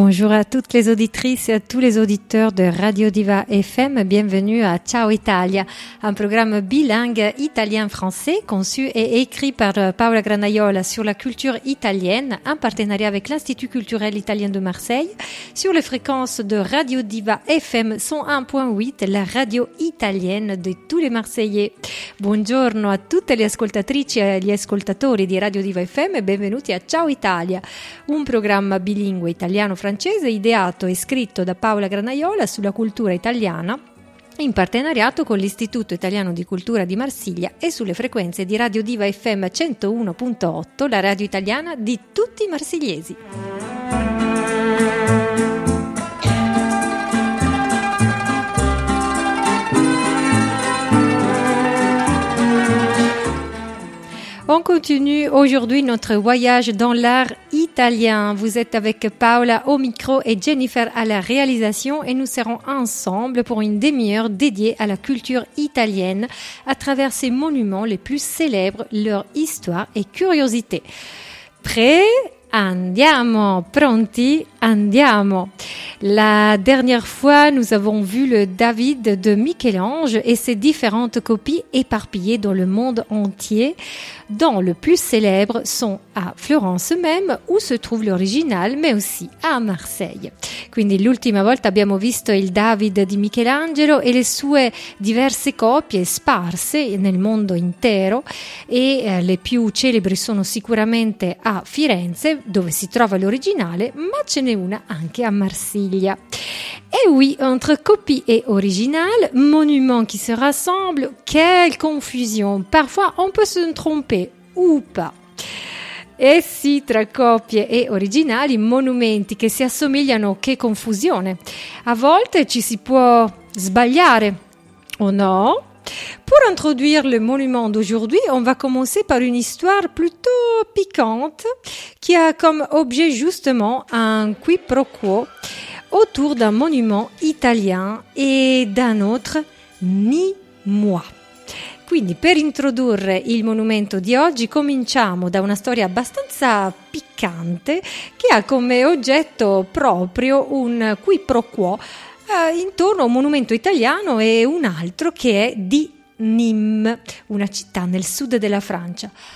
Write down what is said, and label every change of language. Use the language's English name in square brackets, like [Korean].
[French] À toutes les auditrices et à tous les auditeurs de Radio Diva FM, bienvenue à Ciao Italia, un programme bilingue italien-français conçu et écrit par Paola Granaiola sur la culture italienne en partenariat avec l'Institut culturel italien de Marseille sur les fréquences de Radio Diva FM 101.8, la radio italienne de tous les Marseillais. [Italian] Buongiorno a tutte le ascoltatrici e gli ascoltatori di Radio Diva FM e benvenuti a Ciao Italia, un programma bilingue italiano-francese ideato e scritto da Paola Granaiola sulla cultura italiana in partenariato con l'Istituto Italiano di Cultura di Marsiglia e sulle frequenze di Radio Diva FM 101.8, la radio italiana di tutti i marsigliesi. [French] On continue aujourd'hui notre voyage dans l'art italien. Vous êtes avec Paola au micro et Jennifer à la réalisation et nous serons ensemble pour une demi-heure dédiée à la culture italienne à travers ses monuments les plus célèbres, leur histoire et curiosité. Prêt ? [Italian] Andiamo, pronti, andiamo. [French] La dernière fois, nous avons vu le David de Michel-Ange et ses différentes copies éparpillées dans le monde entier, dont le plus célèbre sont à Florence même, où se trouve l'original, mais aussi à Marseille. [Italian] Quindi l'ultima volta abbiamo visto il David di Michelangelo e le sue diverse copie sparse nel mondo intero e le più celebri sono sicuramente a Firenze, dove si trova l'originale, ma ce n'è una anche a Marsiglia. [French] Et oui, entre copie et original, monument qui se rassemble, quelle confusion! Parfois on peut se tromper, ou pas. [Italian] Et si, tra copie e originali, monumenti che si assomigliano, che confusione! A volte ci si può sbagliare, o no? [French] Pour introduire le monument d'aujourd'hui, on va commencer par une histoire plutôt piquante qui a comme objet justement un quiproquo autour d'un monument italien et d'un autre, ni moi. [Italian] Quindi, per introdurre il monumento di oggi, cominciamo da una storia abbastanza piccante che ha come oggetto proprio un quiproquo intorno a un monumento italiano e un altro che è di Nîmes, una città nel sud della Francia.